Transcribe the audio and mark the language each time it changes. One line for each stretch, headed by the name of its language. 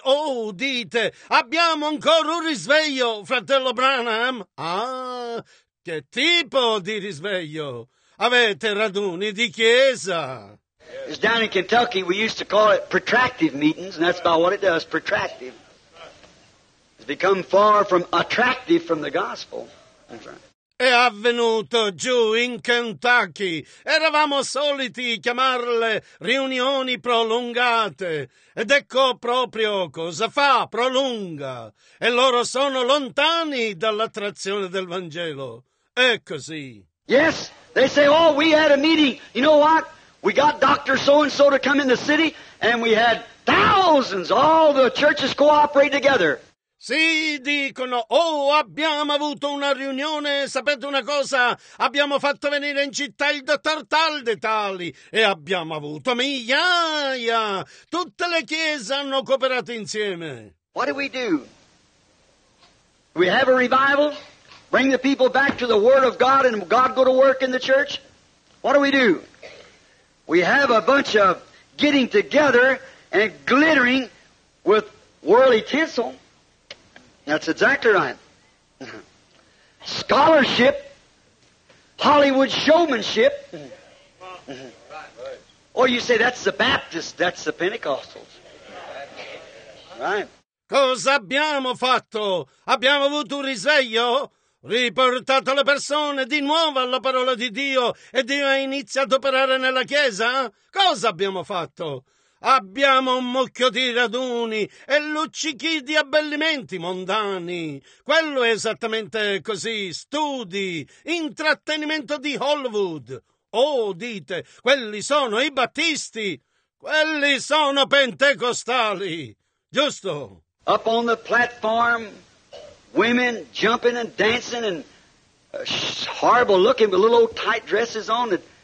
Italian: Oh, dite, abbiamo ancora un risveglio, fratello Branham. Ah, che tipo di risveglio? Avete raduni di chiesa.
English: It's down in Kentucky, we used to call it protractive meetings, and that's about what it does, protractive. It's become far from attractive from the gospel. That's right.
Italian: È avvenuto giù in Kentucky. Eravamo soliti chiamarle riunioni prolungate. Ed ecco proprio cosa fa, prolunga. E loro sono lontani dall'attrazione del Vangelo. È così.
English: Yes, they say, oh, we had a meeting. You know what? We got Dr. So-and-so to come in the city, and we had thousands, all the churches cooperate together.
Italian: Sì, dicono, oh, abbiamo avuto una riunione, sapete una cosa? Abbiamo fatto venire in città il dottor tal de tali e abbiamo avuto migliaia. Tutte le chiese hanno cooperato insieme.
English: What do? We have a revival? Bring the people back to the word of God and God go to work in the church? What do? We have a bunch of getting together and glittering with worldly tinsel. That's exactly right. Scholarship, Hollywood showmanship. Or you say, that's the Baptist, that's the Pentecostals. Right.
Italian: Cosa abbiamo fatto? Abbiamo avuto un risveglio? Riportato le persone di nuovo alla parola di Dio e Dio ha iniziato a operare nella Chiesa? Cosa abbiamo fatto? Abbiamo un mucchio di raduni e luccichi di abbellimenti mondani. Quello è esattamente così. Studi, intrattenimento di Hollywood. Oh, dite, quelli sono i battisti. Quelli sono pentecostali. Giusto?
English: Up on the platform, women jumping and dancing and horrible looking with little old tight dresses on.